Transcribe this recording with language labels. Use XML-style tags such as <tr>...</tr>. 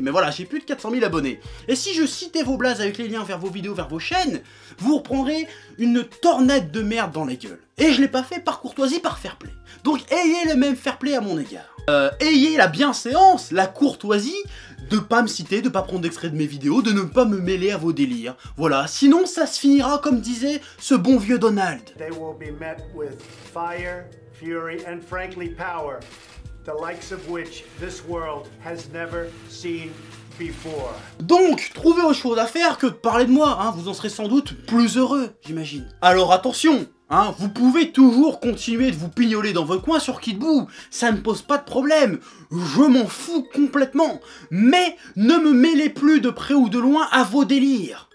<fr>Mais voilà, j'ai plus de 400 000 abonnés. Et si je citais vos blases avec les liens vers vos vidéos, vers vos chaînes, vous reprendrez une tornade de merde dans la gueule. Et je ne l'ai pas fait par courtoisie, par fair play. Donc, ayez le même fair play à mon égard. Ayez la bienséance, la courtoisie de pas me citer, de pas prendre d'extrait de mes vidéos, de ne pas me mêler à vos délires. Voilà, sinon ça se finira comme disait ce bon vieux Donald.</fr> <en>They will be met with fire, fury and frankly power, the likes of which this world has never seen before.</en> <fr>Donc, trouvez autre chose à faire que de parler de moi, hein, vous en serez sans doute plus heureux, j'imagine. Alors attention, hein, vous pouvez toujours continuer de vous pignoler dans votre coin sur Kid Buu, ça ne pose pas de problème, je m'en fous complètement, mais ne me mêlez plus de près ou de loin à vos délires.</fr>